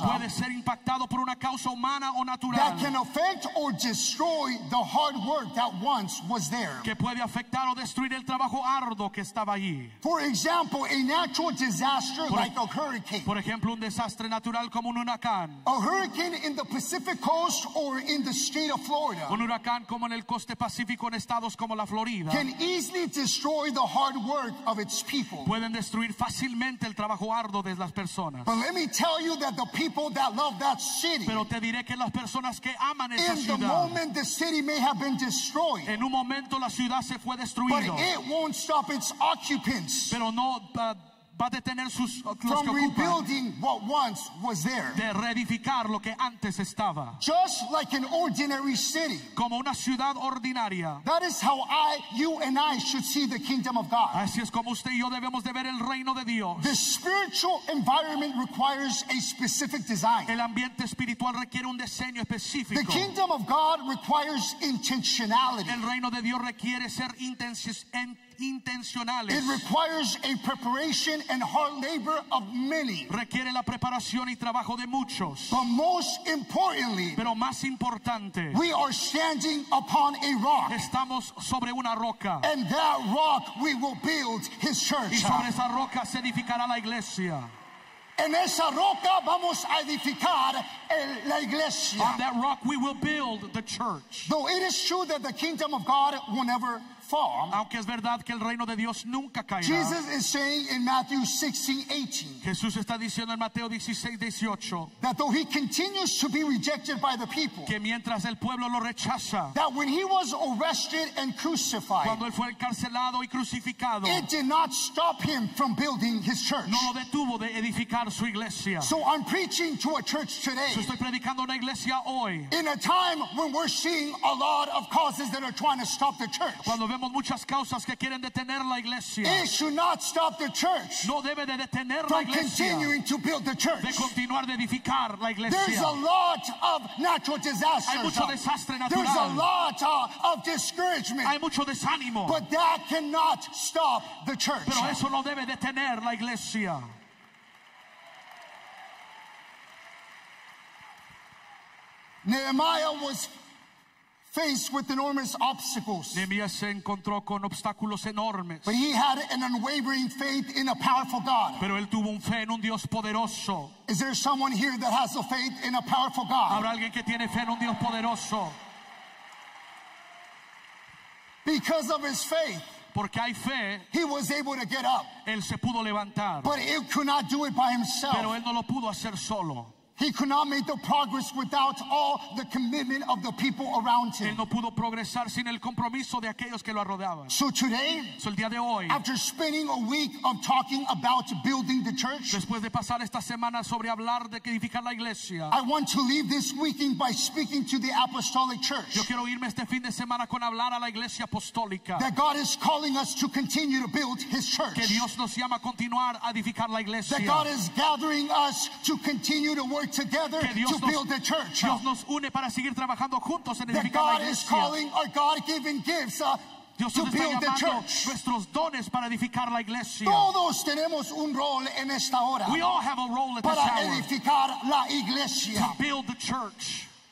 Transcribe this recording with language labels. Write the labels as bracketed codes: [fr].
[es] Puede ser impactado por una causa humana o natural. [en] That can affect or destroy the hard work that once. Was there. [es] Que puede afectar o destruir el trabajo arduo que estaba allí. [en] For example, a natural disaster like a hurricane. [es] Por ejemplo, un desastre natural como un huracán. [en] A hurricane in the Pacific Coast or in the state of Florida. [es] Un huracán como en el coste pacífico en estados como la Florida. [en] Can easily destroy the hard work of its people. [es] Pueden destruir fácilmente el trabajo arduo de las personas. [en] But let me tell you that the people that love that city. [es] Pero te diré que las personas que aman esa ciudad. [en] In the moment the city may have been destroyed. [es] En un momento la ciudad se fue destruido. [en] But it won't stop its occupants. [es] Pero no va a detener sus los que [en] rebuilding [es] ocupan. [en] What once was there. [es] De reedificar lo que antes estaba. [en] Just like an ordinary city. [es] Como una ciudad ordinaria. [en] That is how you and I should see the kingdom of God. [es] Así es como usted y yo debemos de ver el reino de Dios. [en] The spiritual environment requires a specific design. [es] El ambiente espiritual requiere un diseño específico. [en] The kingdom of God requires intentionality. [es] El reino de Dios requiere ser intencionales. [en] It requires a preparation and hard labor of many. [es] Requiere la preparación y trabajo de muchos. [en] But most importantly, [es] pero más importante, [en] we are standing upon a rock. [es] Estamos sobre una roca. [en] And that rock we will build his church. [es] Y sobre esa roca se edificará la iglesia. En esa roca vamos a edificar la iglesia. [en] On that rock we will build the church. Though it is true that the kingdom of God will never [es] aunque es verdad que el reino de Dios nunca caerá. [en] Jesus is saying in Matthew 16:18. [es] Jesús está diciendo en Mateo 16:18. [en] That though he continues to be rejected by the people. [es] Que mientras el pueblo lo rechaza. [en] That when he was arrested and crucified. [es] Cuando él fue encarcelado y crucificado. [en] It did not stop him from building his church. [es] No lo detuvo de edificar su iglesia. [en] So I'm preaching to a church today. [es] So estoy predicando una iglesia hoy. [en] In a time when we're seeing a lot of causes that are trying to stop the church. [es] Cuando vemos muchas causas que quieren detener la iglesia. [en] It should not stop the church. [es] No debe de detener la iglesia. [en] Continuing to build the church. [es] De continuar de edificar la iglesia. [en] There's a lot of natural disasters. [es] Hay mucho desastre natural. [en] There's a lot of discouragement. [es] Hay mucho desánimo. [en] But that cannot stop the church. [es] Pero eso no debe detener la iglesia. [en] Nehemiah was faced with enormous obstacles. [es] Nehemiah se encontró con obstáculos enormes. [en] But he had an unwavering faith in a powerful God. [es] Pero él tuvo un fe en un Dios poderoso. [en] Is there someone here that has a faith in a powerful God? [es] ¿Habrá alguien que tiene fe en un Dios poderoso? [en] Because of his faith. [es] Porque hay fe, [en] he was able to get up. [es] Él se pudo levantar. [en] But he could not do it by himself. [es] Pero él no lo pudo hacer solo. [en] He could not make the progress without all the commitment of the people around him. [es] Él no pudo progresar sin el compromiso de aquellos que lo rodeaban. [en] So today, [es] so el día de hoy, [en] after spending a week of talking about building the church, [es] después de pasar esta semana sobre hablar de edificar la iglesia, [en] I want to leave this weekend by speaking to the apostolic church. [es] Yo quiero irme este fin de semana con hablar a la iglesia apostólica. [en] That God is calling us to continue to build his church. [es] Que Dios nos llama a continuar a edificar la iglesia. [en] That God is gathering us to continue to work together to build the church. [es] Dios nos une para seguir trabajando juntos en edificar la iglesia. [en] God is calling our God-given gifts [es] Dios [en] to build the church. [es] Nuestros dones para edificar la iglesia. Todos tenemos un rol en esta hora. [en] We all have a role at [es] para [en] this hour. [es] Edificar la iglesia. [en] To build the church.